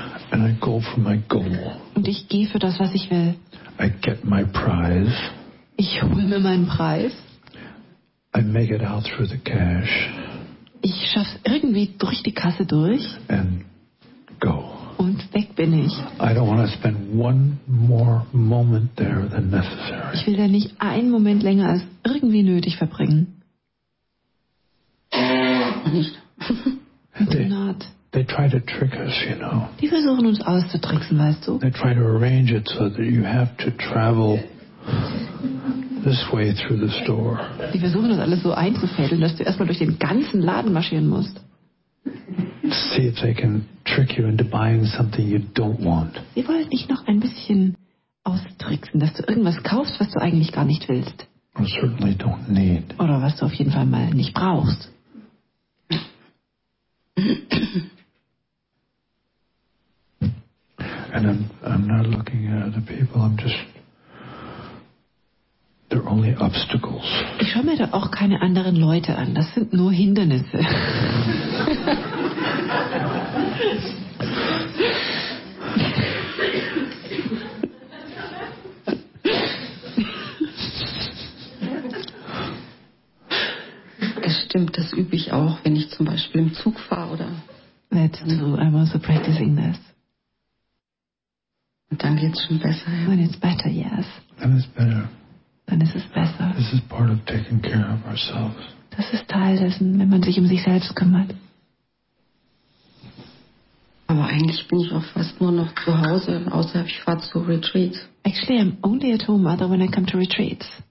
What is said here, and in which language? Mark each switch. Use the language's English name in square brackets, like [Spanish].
[English] And I go for my goal. [German] Und ich gehe für das, was ich will. [English] I get my prize. [German] Ich hole mir meinen Preis. [English] I make it out through the cash. [German] Ich schaffe es irgendwie durch die Kasse durch. [English] And go. [German] Und weg bin ich. [English] I don't want to spend one more moment there than necessary. [German] Ich will da nicht einen Moment länger als irgendwie nötig verbringen. Nicht. [English] Not. They try to trick us, you know. [German] Die versuchen uns auszutricksen, weißt du? [English] They try to arrange it so that you have to travel this way through the store. [German] Die versuchen uns alles so einzufädeln, dass du erstmal durch den ganzen Laden marschieren musst. [English] See if they can trick you into buying something you don't want. [German] Sie wollen dich noch ein bisschen austricksen, dass du irgendwas kaufst, was du eigentlich gar nicht willst. [English] Or certainly don't need. [German] Oder was du auf jeden Fall mal nicht brauchst. [English] And I'm not looking at other people. I'm just they're only obstacles. [German] Ich schaue mir da auch keine anderen Leute an. Das sind nur Hindernisse. Es stimmt, das übe ich auch, wenn ich zum Beispiel im Zug fahre, oder? [English] That's true. I'm also practicing this. [German] Und dann geht's schon besser, ja? [English] When it's better, yes. Then it's better. [German] Dann ist es besser. [English] This is part of taking care of ourselves. [German] Das ist Teil dessen, wenn man sich um sich selbst kümmert. Aber eigentlich bin ich auch fast nur noch zu Hause, außer ich fahre zu Retreats. [English] Actually, I'm only at home, other when I come to retreats.